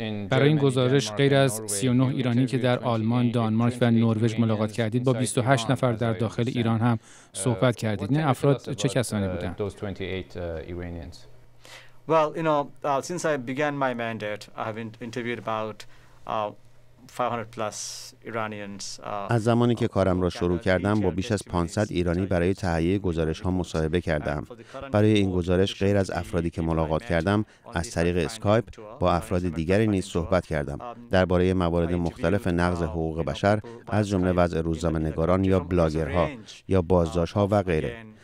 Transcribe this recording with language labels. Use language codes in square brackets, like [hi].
[fa] برای این گزارش غیر از 39 ایرانی که در آلمان، دانمارک و نروژ ملاقات کردید، با 28 نفر در داخل ایران هم صحبت کردید. این افراد چه کسانی بودند؟ [en] Well, you know, since I began my mandate, I have interviewed about 500 plus Iranians. [fa] از زمانی که کارم را شروع کردم، با بیش از 500 ایرانی برای تهیه گزارش‌ها مصاحبه کردم. برای این گزارش غیر از افرادی که ملاقات کردم، از طریق اسکایپ با افراد دیگری نیز صحبت کردم. درباره موارد مختلف نقض حقوق بشر، از جمله وضع روزنامه‌نگاران یا بلاگرها یا بازداشت‌ها و غیره.